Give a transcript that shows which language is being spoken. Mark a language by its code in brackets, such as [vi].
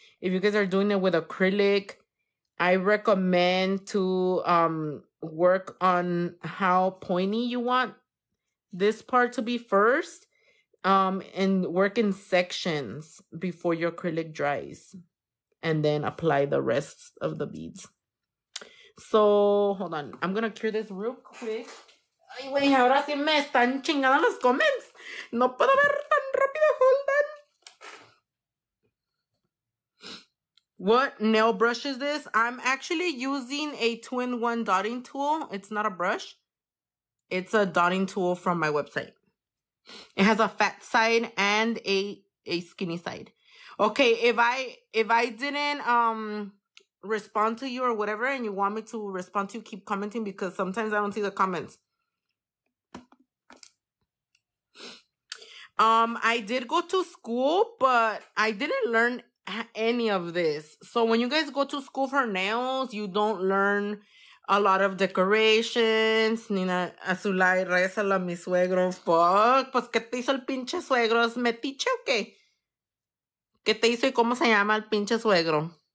[en] If you guys are doing it with acrylic, I recommend to work on how pointy you want this part to be first, and work in sections before your acrylic dries. And then apply the rest of the beads. So, hold on. I'm going to cure this real quick. [es] Ay, güey, ahora sí me están chingando los comments. No puedo ver tan rápido. [en] Hold on. What nail brush is this? I'm actually using a 2-in-1 dotting tool. It's not a brush. It's a dotting tool from my website. It has a fat side and a skinny side. Okay, if I didn't respond to you or whatever, and you want me to respond to you, keep commenting, because sometimes I don't see the comments. I did go to school, but I didn't learn any of this. So when you guys go to school for nails, you don't learn a lot of decorations. [es] Nina Azulay, reza la mi suegro. Fuck, pues que te hizo el pinche suegro, es metiche o qué? ¿Qué te hizo y cómo se llama el pinche suegro?